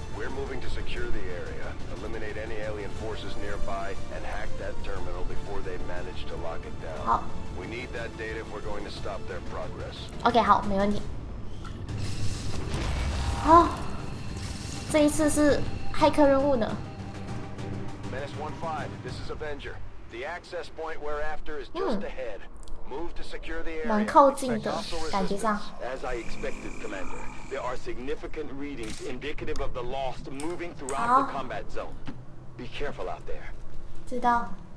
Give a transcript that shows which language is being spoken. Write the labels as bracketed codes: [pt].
[en] We're moving to secure the area. Eliminate any alien forces nearby and hack that terminal before they manage to lock it down. [zh] 好。 [en] We need that data if we're going to stop their progress. [zh] OK， 好，没问题。哦，这一次是骇客任务呢。 [en] Menace 15, this is Avenger. The access point we're after is just ahead. Move to secure the area. 蛮靠近的，感觉上。 As I expected, Commander. There are significant readings indicative of the lost moving throughout the combat zone. Be careful out there. 知道。